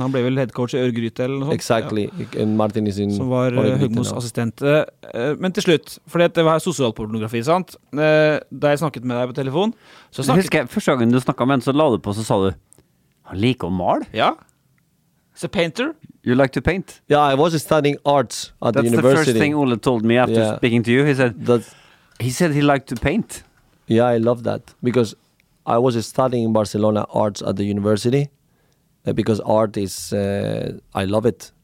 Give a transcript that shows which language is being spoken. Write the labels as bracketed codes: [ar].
[sv] Han blev väl headcoach I Örgryte eller något. [en] Exactly. Ja. And Martin is in. [sv] Som var Högmos assistent. Men till slut, för det var socialpornografi, sant? [no] Da jeg snakket med dig på telefon, så snakket [sv] första gången du snakkade med en så lade du på så sa du [no] han liker å male. [en] Ja. It's a painter. You like to paint? Yeah, I was studying arts at That's the university. That's the first thing Ole told me after speaking to you. He said he liked to paint. Yeah, I love that because I was studying in Barcelona arts at the university because art is, I love it.